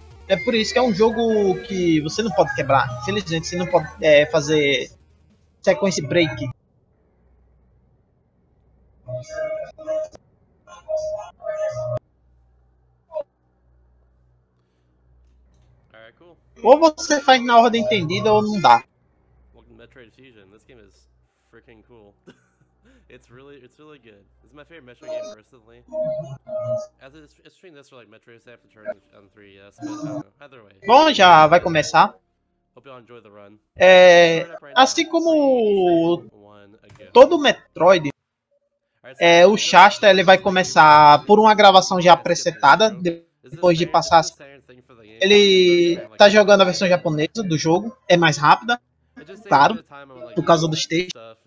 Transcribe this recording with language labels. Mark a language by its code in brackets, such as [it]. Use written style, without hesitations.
[pt] É por isso que é um jogo que você não pode quebrar. Infelizmente, você não pode fazer sequence break. Ou você faz na ordem entendida ou não dá. [en] Welcome to Metroid Fusion. This game is freaking cool. it's really good. This is my favorite Metroid game recently. As it's between this or like Metroid Samus Return on 3DS, but either way. [pt] Bom, já vai começar. [en] Hope you all enjoy the run. [pt] Assim como todo Metroid, o Shasta ele vai começar por uma gravação já presetada depois de passar. Ele tá jogando a versão japonesa do jogo, é mais rápida, claro, por causa dos textos.